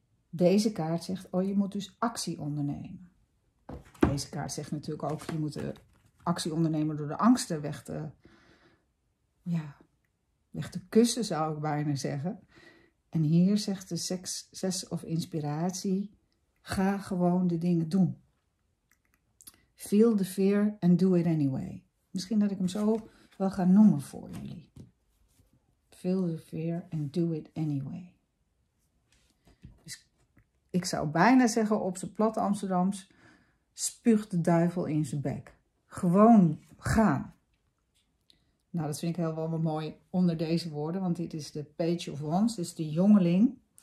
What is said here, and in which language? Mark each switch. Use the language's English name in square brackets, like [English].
[Dutch] Deze kaart zegt, oh, je moet dus actie ondernemen. Deze kaart zegt natuurlijk ook, je moet actie ondernemen door de angsten weg te... Echte kussen zou ik bijna zeggen. En hier zegt de 6 of inspiratie, ga gewoon de dingen doen. [English] Feel the fear and do it anyway. [Dutch] Misschien dat ik hem zo wel ga noemen voor jullie. [English] Feel the fear and do it anyway. [Dutch] Dus ik zou bijna zeggen op zijn plat Amsterdams, spuug de duivel in zijn bek. Gewoon gaan. Nou, dat vind ik heel wel mooi onder deze woorden, want dit is de Page of Wands, dus de jongeling.